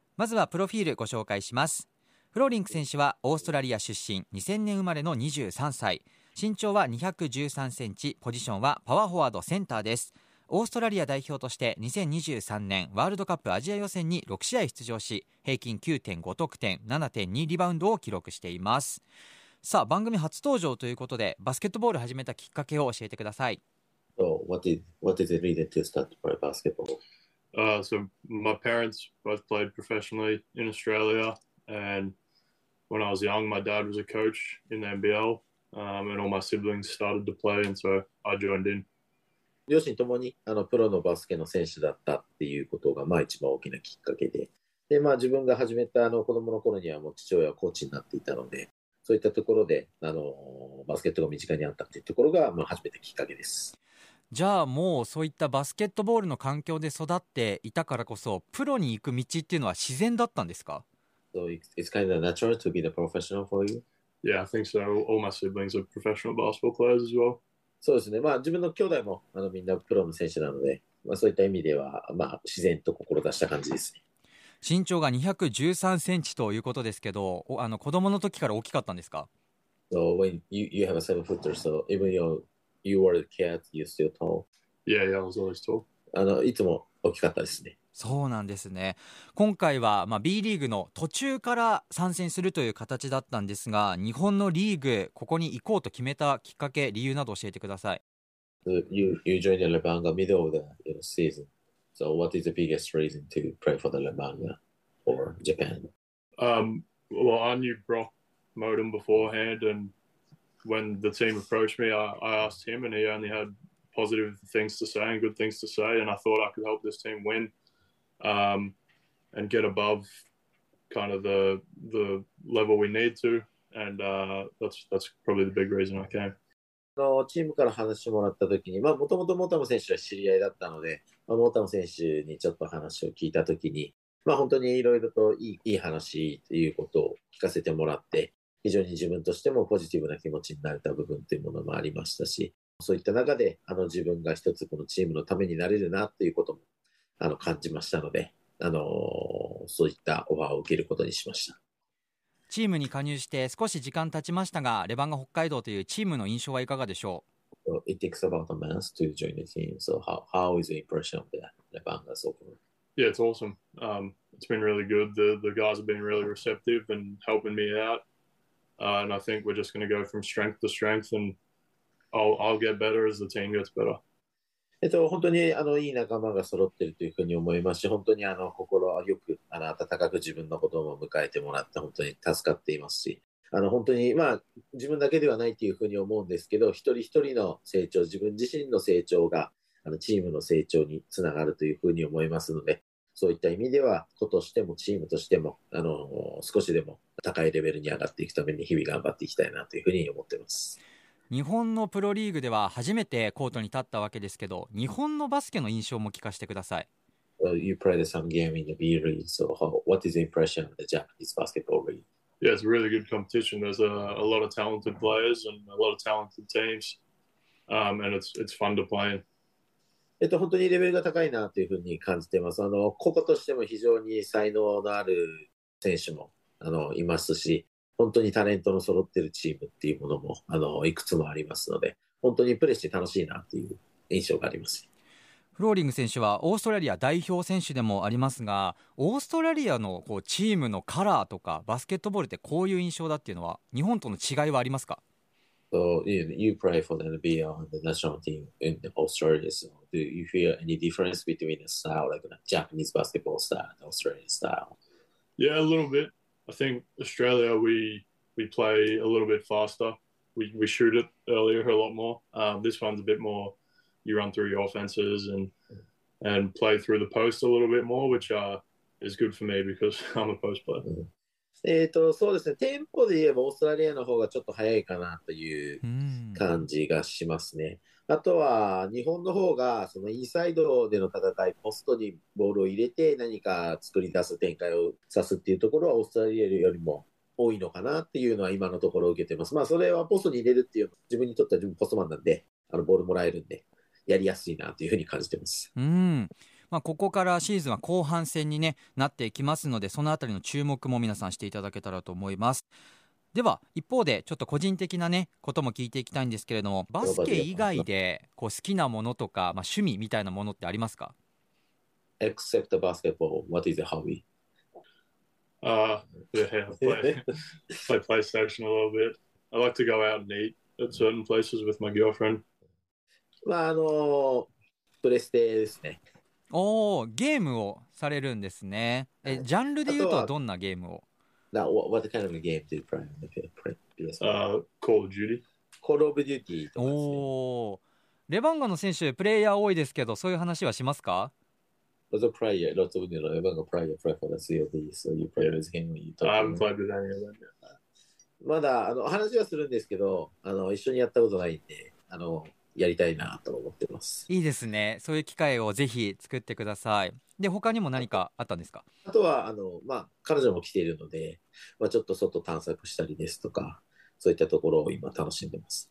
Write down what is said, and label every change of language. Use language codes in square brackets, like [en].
[ja] まずはプロフィールご紹介します。フローリング選手はオーストラリア出身、2000年生まれの23歳、身長は213センチ、ポジションはパワーフォワードセンターです。オーストラリア代表として2023年ワールドカップアジア予選に6試合出場し、平均 9.5 得点 7.2 リバウンドを記録しています。さあ番組初登場ということでバスケットボール始めたきっかけを教えてください。 [en] So, what did it mean to start to play basketball? So my parents both played professionally in Australia, and when I was young my dad was a coach in the NBL. And all my siblings started to play, and so I joined in. [ja] 両親ともにあのプロのバスケの選手だったっていうことが、まあ、一番大きなきっかけで、で、まあ、自分が始めたあの子供の頃にはもう父親はコーチになっていたので、そういったところであのバスケットが身近にあったっていうところが、まあ、初めてきっかけです。じゃあもうそういったバスケットボールの環境で育っていたからこそプロに行く道っていうのは自然だったんですか？ [en] So it's kind of natural to be the professional for you? Yeah, I think so. All my siblings are professional basketball players as well. [ja] そうですね。まあ自分の兄弟もあのみんなプロの選手なので、まあそういった意味では、まあ、自然と心出した感じですね。身長が213センチということですけど、あの子供の時から大きかったんですか？ [en] So when you have a 7-footer, so even you were a kid, you're still tall. Yeah, I was always tall. [ja] あのいつも大きかったですね。そうなんですね。今回は、まあ、B リーグの途中から参戦するという形だったんですが、日本のリーグここに行こうと決めたきっかけ、理由など教えてください。 [en] You joined the Lebanga middle of the season. So what is the biggest reason to play for the Lebanga or Japan? Well, I knew Brock Modem beforehand, and when the team approached me, I asked him, and he only had positive things to say and good things to say, and I thought I could help this team win and get above kind of the level we need to, and that's probably the big reason I came. [ja] チームから話してもらったときに、まあ、もともとモータム選手は知り合いだったので、まあ、モータム選手にちょっと話を聞いたときに、まあ、本当にいろいろといい話ということを聞かせてもらって、非常に自分としてもポジティブな気持ちになれた部分というものもありましたし、そういった中で自分が一つこのチームのためになれるなということも感じましたので、そういったオファーを受けることにしました。チームに加入して少し時間経ちましたが、レバンガ北海道というチームの印象はいかがでしょう。 [en] It takes about a month to join the team, so how is the impression of the Lebanga so far? Yeah, it's awesome. It's been really good. The guys have been really receptive and helping me out. And I think we're just going to go from strength to strength, and I'll get better as the team gets better. [ja] 本当にいい仲間が揃っているというふうに思いますし、本当に心よく温かく自分のことも迎えてもらって本当に助かっていますし、本当に、まあ、自分だけではないというふうに思うんですけど、一人一人の成長、自分自身の成長がチームの成長につながるというふうに思いますので、そういった意味では子としてもチームとしても少しでも高いレベルに上がっていくために日々頑張っていきたいなというふうに思っています。日本のプロリーグでは初めてコートに立ったわけですけど、日本のバスケの印象も聞かせてください。 [en] Well, you played some game in the B League, so what is the impression of the Japanese basketball league? Yeah, it's a really good competition. There's a lot of talented players and a lot of talented teams, and it's fun to play in. [ja] 本当にレベルが高いなというふうに感じています。個々としても非常に才能のある選手もいますし、本当にタレントの揃ってるチームっていうものもいくつもありますので、本当にプレーして楽しいなっていう印象があります。フローリング選手はオーストラリア代表選手でもありますが、オーストラリアのこうチームのカラーとかバスケットボールってこういう印象だっていうのは日本との違いはありますか？ [en] So, you play for the NBA and the national team in Australia, so do you feel any difference between the style like the Japanese basketball style and Australian style? Yeah, a little bitI think Australia, we play a little bit faster. We shoot it earlier a lot more. This one's a bit more, you run through your offenses and play through the post a little bit more, which is good for me because I'm a post player. [ja] そうですね。テンポで言えばオーストラリアの方がちょっと早いかなという感じがしますね。あとは日本の方がそのインサイドでの戦い、ポストにボールを入れて何か作り出す展開をさすっていうところはオーストラリアよりも多いのかなっていうのは今のところ受けてます。まあそれはポストに入れるっていう、自分にとっては自分ポストマンなんでボールもらえるんでやりやすいなというふうに感じてます。うん、まあ、ここからシーズンは後半戦に、ね、なっていきますので、そのあたりの注目も皆さんしていただけたらと思います。では一方でちょっと個人的な、ね、ことも聞いていきたいんですけれども、バスケ以外でこう好きなものとか、まあ、趣味みたいなものってありますか？ [en] Except the basketball, what is the hobby? Yeah, I play PlayStation a little bit. I like to go out and eat at certain places with my girlfriend. [ja] まあプレステですね。おー、ゲームをされるんですね。え、ジャンルで言うとはどんなゲームを？ [en] Now, what kind of a game do you play on the PS4? Call of Duty. [ja] Call of Duty とかですね。おー、レバンガの選手プレイヤー多いですけど、そういう話はしますか？ [en] Lots of player, lots of レバンガ player play for the COD, so you play this game when you talk. I haven't played with any of them. [ja] まだ話はするんですけど、一緒にやったことないんで、やりたいなと思ってます。いいですね、そういう機会をぜひ作ってください。で、他にも何かあったんですか？あとはまあ、彼女も来ているので、まあ、ちょっと外探索したりですとか、そういったところを今楽しんでます。